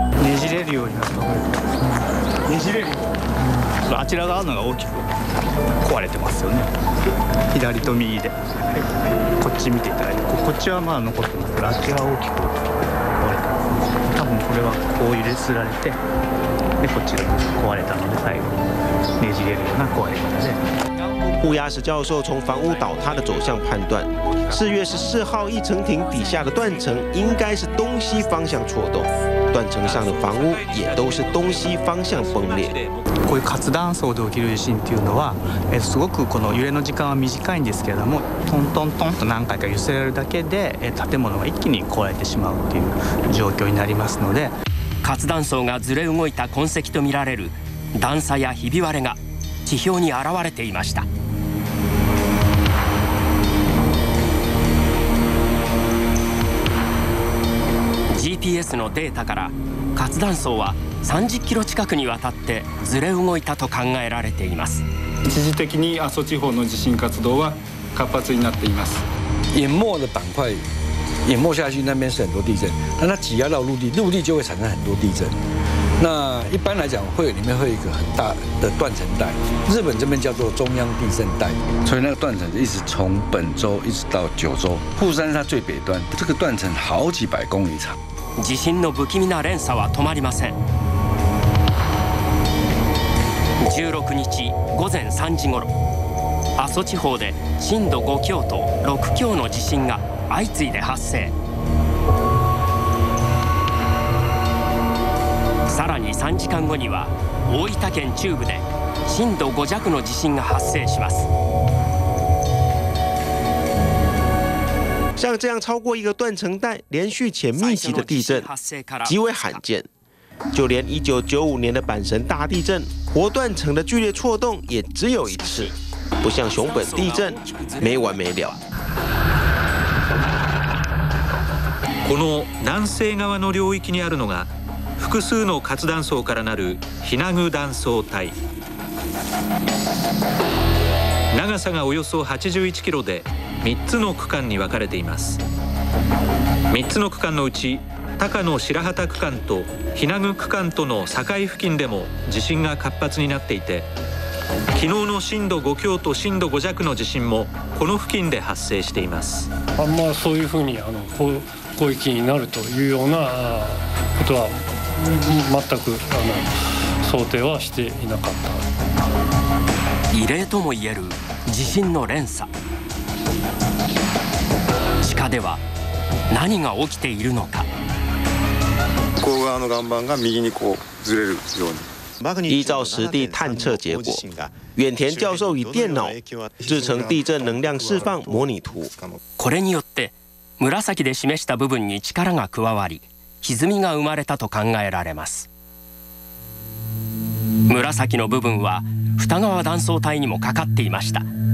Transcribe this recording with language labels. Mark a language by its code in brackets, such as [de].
[ja] ねじれるようになった。ねじれる。あちら側のが大きく壊れてますよね。左と右で。こっち見ていただいて、こっちはまあ残ってます。あちら大きく。これはこう揺れすられて、でこちらが壊れたので最後ねじれるような壊れ方で。 [zh] 户雅史教授从房屋倒塌的走向判断，4月14号翼程艇底下的断层应该是东西方向错动，断层上的房屋也都是东西方向崩裂。 [ja] こういう活断層で起きる地震っていうのは、すごくこの揺れの時間は短いんですけれども、トントントンと何回か揺せられるだけで、建物が一気に壊れてしまうっていう状況になりますので、活断層がずれ動いた痕跡とみられる段差やひび割れが地表に現れていました。 GPS のデータから活断層は30キロ近くにわたってずれ動いたと考えられています。一時的に阿蘇地方の地震活動は活発になっています。 [zh] 淹没的板块淹没下去，那边是很多地震，但它挤压到陆地，陆地就会产生很多地震。那一般来讲，会里面会有一个很大的断层带，日本这边叫做中央地震带，所以那个断层就一直从本州一直到九州，富山是它最北端，这个断层好几百公里长。 [ja] 地震の不気味な連鎖は止まりません。 16日午前3時ごろ、阿蘇地方で震度5強と6強の地震が相次いで発生。さらに3時間後には大分県中部で震度5弱の地震が発生します。 [zh] 像这样超过一个断层带连续且密集的地震极为罕见，就连1995年的阪神大地震活断层的剧烈错动也只有一次，不像熊本地震没完没了。 [ja] この南西側の領域にあるのが複数の活断層からなる日名具断層帯、長さがおよそ81キロで3つの区間に分かれています。 3つの区間のうち高野白旗区間と日名具区間との境付近でも地震が活発になっていて、昨日の震度5強と震度5弱の地震もこの付近で発生しています。あんまそういうふうに広域になるというようなことは全く想定はしていなかった。異例ともいえる地震の連鎖、地下では何が起きているのか。向こう側の岩盤が右にこうずれるように。 [zh] 依照实地探测结果，远田教授以电脑制成地震能量释放模拟图。 [ja] これによって紫で示した部分に力が加わり歪みが生まれたと考えられます。紫の部分は二川断層帯にもかかっていました。